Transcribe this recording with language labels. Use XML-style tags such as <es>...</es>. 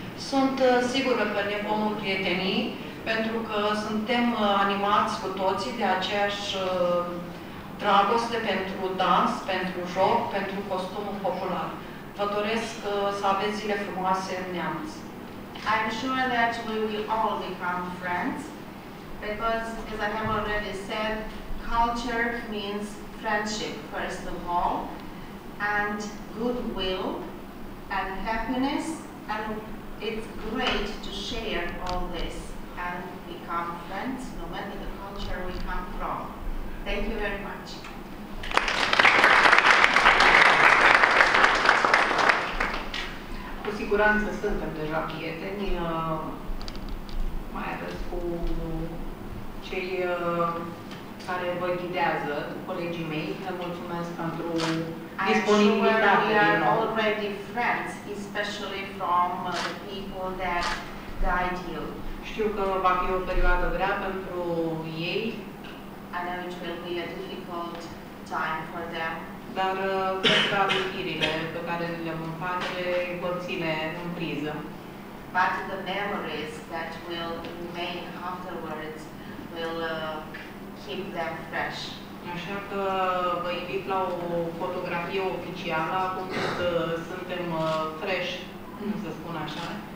<ro>Sunt sigură că ne vom împrieteni, pentru că suntem animați cu toții de aceeași dragoste pentru dans, pentru joc, pentru costumul popular. Vă doresc să aveți zile frumoase în Neamț.</ro> <en>I'm sure that we will all become friends. Because, as I have already said, culture means friendship, first of all, and goodwill, and happiness, and it's great to share all this and become friends, no matter the culture we come from. Thank you very much.</en> <ro>Cu siguranță suntem deja prieteni, mai ales cu cei care vă ghidează, colegii mei, le mulțumesc pentru disponibilitatea din nou.</ro> <en>We are already friends, especially from the people that guide you.</en> <ro>Știu că va fi o perioadă grea pentru ei.</ro> <en>I know it will be a difficult time for them.</en> <ro>Dar cred că amintirile pe care le vom face vor ține în priză.</ro> <en>But the memories that will remain afterwards will keep them fresh.</en> <ro>Așa că vă invit la o fotografie oficială, acum când suntem fresh, cum să spun așa.</ro>